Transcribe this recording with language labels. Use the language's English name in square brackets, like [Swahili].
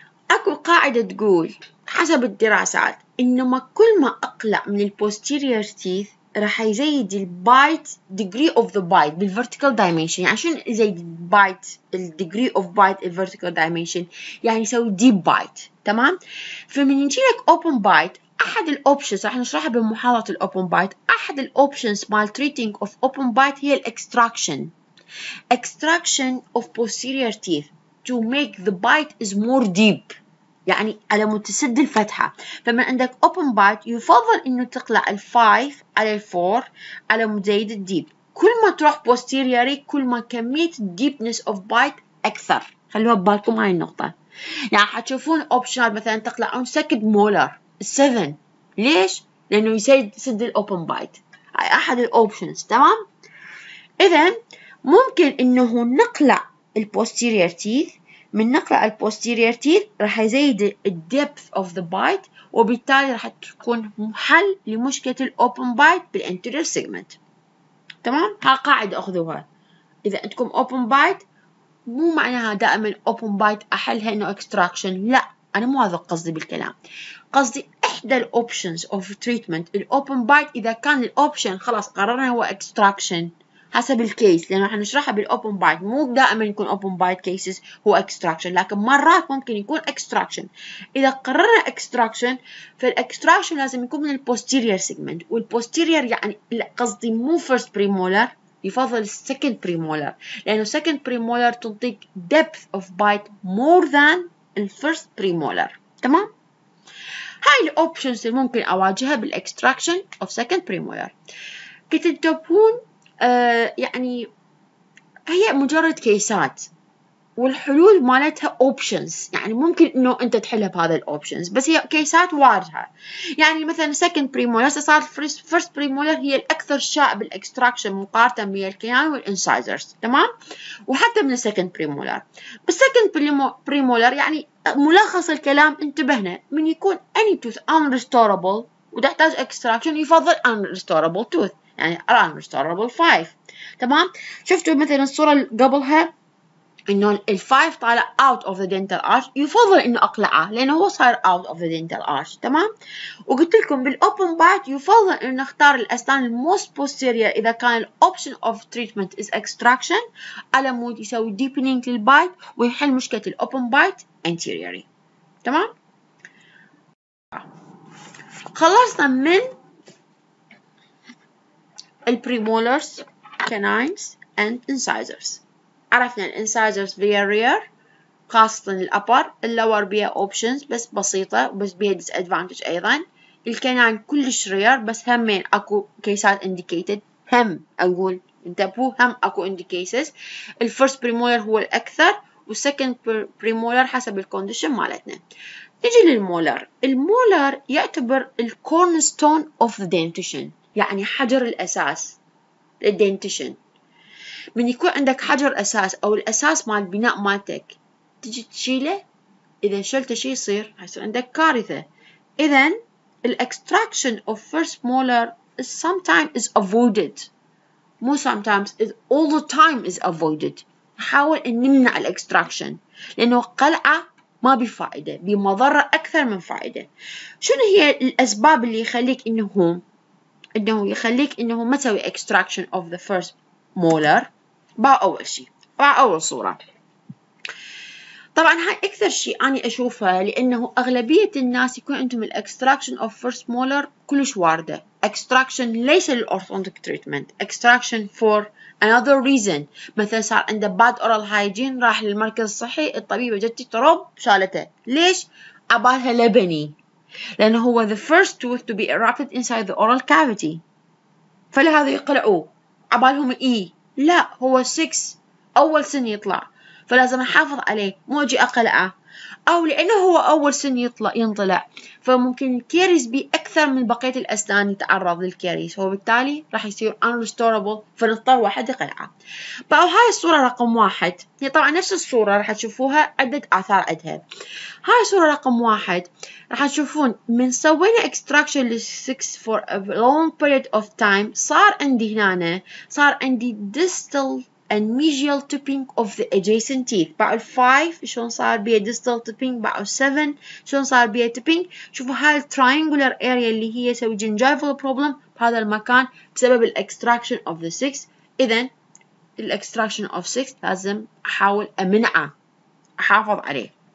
[Arabic] أكو قاعدة تقول حسب الدراسات إنه ما كل ما أقلق من البوستيريور تيث راح يزيد البايت [English] degree of the bite [Arabic] بالvertical dimension. يعني عشان يزيد البايت ال [English] degree of bite vertical dimension [Arabic] يعني يسوي deep bite. تمام؟ فمن ينشيلك open bite أحد الأوبشنز راح نشرحها بمحاضرة الأوبن بايت. أحد الأوبشنز مال [English] treating of open bite [Arabic] هي الإكستراكشن. [English] Extraction of posterior teeth to make the bite is more deep. [Arabic] يعني على متسد الفتحة. فمن عندك open bite يفضل إنه تقلع الـ5 على الـ4 على مزيد الديب. كل ما تروح posteriorي كل ما كمية [English] deepness of bite [Arabic] أكثر. خلوها ببالكم هاي النقطة. يعني حتشوفون optional مثلا تقلعون second molar 7. ليش؟ لأنه يسد الopen bite. هاي أحد الأوبشنز. تمام؟ إذن ممكن إنه نقلع الposterior teeth. من نقلع الposterior teeth رح يزيد [English] depth of the bite [Arabic] وبالتالي رح تكون محل لمشكلة الopen bite بالanterior segment. تمام؟ ها قاعدة أخذوها. إذا عندكم open bite مو معناها دائما open bite أحلها إنه extraction. لا، أنا مو هذا قصدي بالكلام. قصدي إحدى الأوبشنز [English] of treatment [Arabic] الopen bite إذا كان الأوبشن خلاص قررنا هو extraction حسب الكيس، لأنه راح نشرحها بالopen bite. مو دائما يكون [English] open bite cases [Arabic] هو extraction، لكن مرات ممكن يكون extraction. إذا قررنا extraction فالextraction لازم يكون من [English] posterior segment، [Arabic] والposterior يعني قصدي مو first premolar، يفضل second premolar، لأنه second premolar تنطيك [English] depth of bite more than [Arabic] الفيرست بريمولر. تمام؟ هاي الاوبشنز اللي ممكن اواجهها بالاكستراكشن اوف سكند بريمولر. كتنتبهون يعني هي مجرد كيسات والحلول مالتها اوبشنز، يعني ممكن انه انت تحلها بهذا الاوبشنز، بس هي كيسات واجهة. يعني مثلا سكند بريمولر صار فيرست بريمولر هي الاكثر شائع بالاكستراكشن مقارنة بين الكيان والانسايزرز. تمام؟ وحتى من السكند بريمولر. بالسكند بريمولر يعني ملخص الكلام انتبهنا، من يكون [English] any tooth unrestorable [Arabic] وتحتاج extraction يفضل [English] unrestorable tooth، [Arabic] يعني unrestorable 5. تمام؟ شفتوا مثلا الصورة قبلها انه الفايف طالع [English] out of the dental arch، [Arabic] يفضل انه اقلعه لانه هو صار out of the dental arch. تمام؟ وقلت لكم بالopen bite يفضل انه نختار الاسنان [English] most posterior [Arabic] اذا كان [English] option of treatment is extraction [Arabic] على مود يسوي deepening للبايت ويحل مشكلة الopen bite anteriorly. تمام؟ خلصنا من [English] premolars, canines and incisors. [Arabic] عرفنا الانسايزرز بيا رير خاصة الأبر، اللور بيا أوبشنز بس بسيطة بس بيا ديس أدفانتج أيضا. الكنان كلش رير بس همين أكو كيسات إنديكيتد، هم أقول انتبهوا هم أكو إنديكيسز. الفرست بريمولر هو الأكثر والسكند بريمولر حسب الكونديشن مالتنا. نجي للمولر. المولر يعتبر الكورنستون أوف دينتيشن، يعني حجر الأساس للدينتيشن. من يكون عندك حجر أساس أو الأساس مال بناء مالتك تجي تشيله، إذا شلته شي يصير؟ حيصير عندك كارثة. إذا الإكستراكشن [English] of first molar is sometimes is avoided، [Arabic] مو [English] sometimes is all the time is avoided. [Arabic] نحاول أن نمنع الإكستراكشن لأنه قلعة ما بفائدة، بمضرة أكثر من فائدة. شنو هي الأسباب اللي يخليك إنه ما تسوي إكستراكشن [English] of the first [Arabic] مولر؟ بأول صورة. طبعا هاي أكثر شيء أنا أشوفها، لأنه أغلبية الناس يكون عندهم الإكستراكشن [English] of first molar [Arabic] كلش واردة. إكستراكشن ليس للأورثودونتيك تريتمنت، إكستراكشن [English] for another reason. [Arabic] مثلا صار عنده [English] bad oral hygiene، [Arabic] راح للمركز الصحي، الطبيبة جتي تروب شالته. ليش؟ عبالها لبني، لأنه هو [English] the first tooth to be erupted inside the oral cavity، [Arabic] فلهذا يقلعوه. عبالهم إيه؟ لا، هو 6 أول سن يطلع فلازم نحافظ عليه، مو أجي أقلعه. أو لأنه هو أول سن ينطلع فممكن الكاريز بي أكثر من بقية الأسنان يتعرض للكاريز، وبالتالي راح يصير unrestorable فنضطر واحد يقلعه. بقى هاي الصورة رقم 1، هي طبعا نفس الصورة راح تشوفوها عدة آثار عدها. هاي الصورة رقم 1 راح تشوفون من سوينا extraction للسكس [English] for a long period of time [Arabic] صار عندي هنا، صار عندي distal [English] and medial tipping of the adjacent teeth. [Arabic] بقى ال 5 شلون صار بيها [English] distal tipping، [Arabic] بقى ال 7 شلون صار بيها tipping. شوفوا هاي [English] triangular area [Arabic] اللي هي تسوي [English] gingival problem [Arabic] بهذا المكان بسبب ال [English] extraction of the 6. [Arabic] إذا ال [English] extraction of 6 [Arabic] لازم أحاول أمنعه، أحافظ عليه.